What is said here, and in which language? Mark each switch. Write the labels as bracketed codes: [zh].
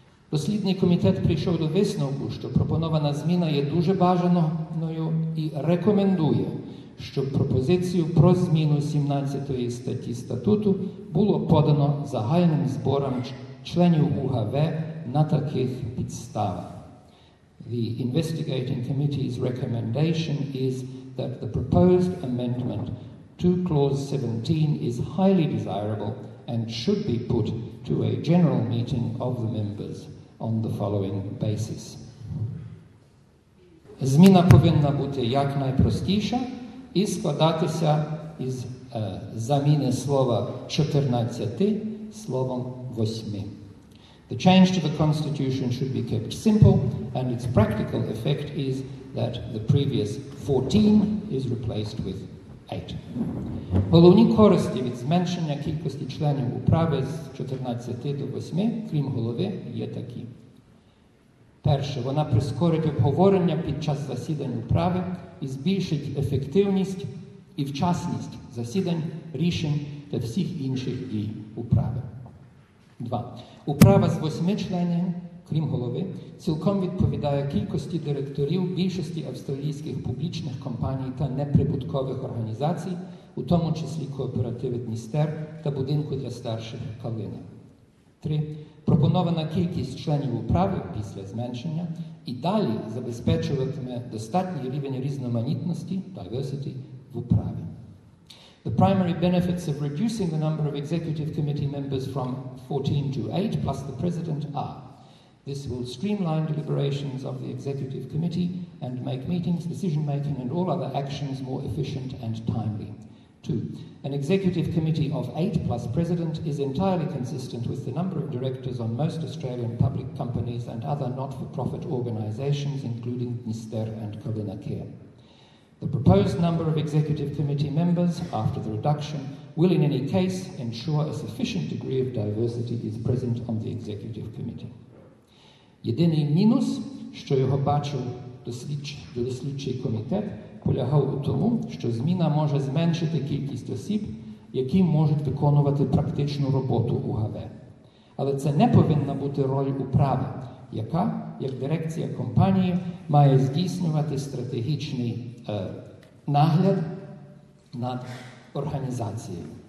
[uk] Дослідний комітет прийшов до висновку, що пропонована зміна є дуже бажаною і рекомендує, щоб пропозицію про зміну 17 статті статуту було подано загальним зборам членів УГВ на таких підставах. [en] The investigating committee's recommendation is that the proposed amendment to clause 17 is highly desirable and should be put to a general meeting of the members on the following basis. [uk] Зміна повинна бути якнайпростіша і складатися із заміни слова 14 словом 8. [en] The change to the Constitution should be kept simple, and its practical effect is that the previous 14 is replaced with 8. [uk] Головні користі від зменшення кількості членів управи з 14 до 8, крім голови, є такі. Перше, вона прискорить обговорення під час засідань управи і збільшить ефективність і вчасність засідань, рішень та всіх інших дій управи. Два. Управа з 8 членів, крім голови, цілком відповідає кількості директорів більшості австралійських публічних компаній та неприбуткових організацій, у тому числі кооперативи Дністер та будинку для старших Калини. Три. Пропонована кількість членів управи після зменшення і далі забезпечуватиме достатній рівень різноманітності, diversity, в управі. [en] The primary benefits of reducing the number of executive committee members from 14 to 8 plus the president are: this will streamline deliberations of the executive committee and make meetings, decision making and all other actions more efficient and timely. 2. An executive committee of 8 plus president is entirely consistent with the number of directors on most Australian public companies and other not-for-profit organisations, including Nister and Kalina Care. The proposed number of executive committee members, after the reduction, will in any case ensure a sufficient degree of diversity is present on the executive committee. [uk] Єдиний мінус, що його бачив дослідчий комітет, полягав у тому, що зміна може зменшити кількість осіб, які можуть виконувати практичну роботу УГВ. Але це не повинна бути роль управи, яка, як дирекція компанії, має здійснювати стратегічний нагляд над організацією.